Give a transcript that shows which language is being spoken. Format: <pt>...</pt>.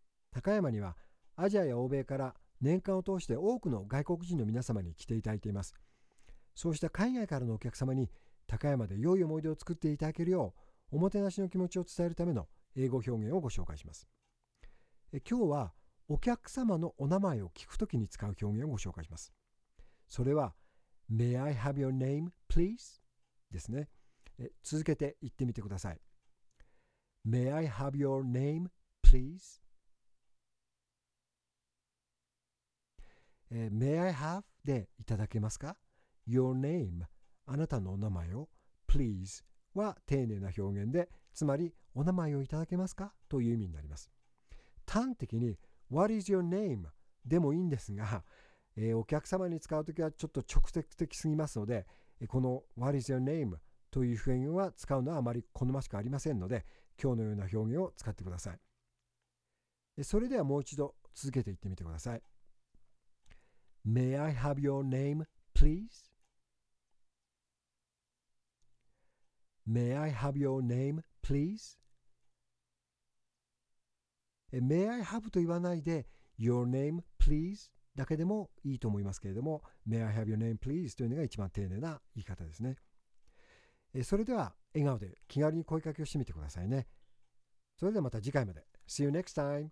<ja>高山にはアジアや欧米から年間を通して多くの外国人の皆様に来ていただいています。そうした海外からのお客様に高山で良い思い出を作っていただけるよう、おもてなしの気持ちを伝えるための英語表現をご紹介します。今日はお客様のお名前を聞くときに使う表現をご紹介します。それは、</ja> <en>May I have your name, please?</en> <ja>ですね、続けて言ってみてください。</ja> <en>May I have your name, please? May I have</en> <ja>でいただけますか?</ja> <en>Your name</en> <ja>あなたのお名前を</ja> <en>Please</en> <ja>は丁寧な表現で、つまりお名前をいただけますかという意味になります。端的に</ja> <en>What is your name?</en> <ja>でもいいんですが、お客様に使うときはちょっと直接的すぎますので、この</ja> <en>What is your name?</en> <ja>という表現は使うのはあまり好ましくありませんので、今日のような表現を使ってください。それではもう一度続けて言ってみてください。</ja> <en>May I have your name, please? May I have your name, please? May I have</en> <ja>と言わないで</ja> <en>Your name, please?</en> <ja>だけでもいいと思いますけれども、</ja> <en>May I have your name, please?</en> <ja>というのが一番丁寧な言い方ですね。それでは、笑顔で気軽に声かけをしてみてくださいね。それではまた次回まで。</ja> <en>See you next time!</en>